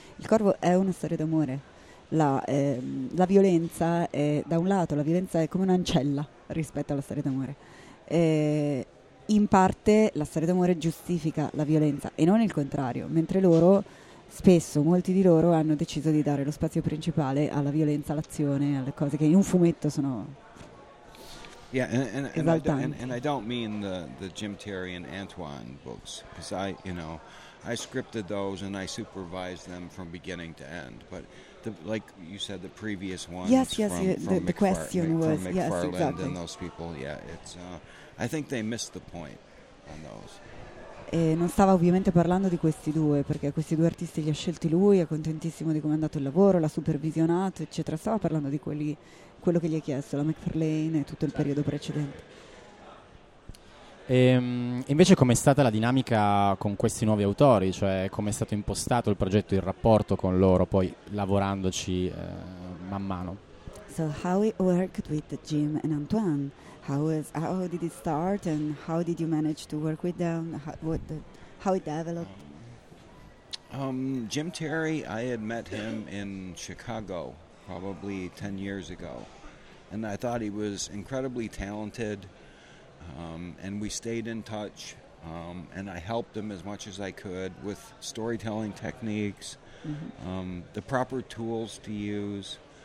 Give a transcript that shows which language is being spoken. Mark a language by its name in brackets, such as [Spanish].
[Italian] Il Corvo è una storia d'amore, la violenza è, da un lato, la violenza è come un'ancella rispetto alla storia d'amore. In parte la storia d'amore giustifica la violenza e non il contrario, mentre loro, spesso, molti di loro hanno deciso di dare lo spazio principale alla violenza, all'azione, alle cose che in un fumetto sono... [English] Yeah, and I don't mean the Jim Terry and Antoine books, because I scripted those and I supervised them from beginning to end. But the, like you said, the previous ones. Yes, yes. The question was McFarland, yes, exactly. And those people. Yeah, it's. I think they missed the point on those. [Italian] E non stava ovviamente parlando di questi due, perché questi due artisti li ha scelti lui, è contentissimo di come è andato il lavoro, l'ha supervisionato, eccetera. Stava parlando di quello che gli ha chiesto, la McFarlane e tutto il periodo precedente. E invece com'è stata la dinamica con questi nuovi autori? Cioè com'è stato impostato il progetto, il rapporto con loro, poi lavorandoci man mano? [English] So how it worked with Jim and Antoine? How did it start, and how did you manage to work with them? How it developed? Jim Terry, I had met him in Chicago probably 10 years ago, and I thought he was incredibly talented, and we stayed in touch, and I helped him as much as I could with storytelling techniques, the proper tools to use.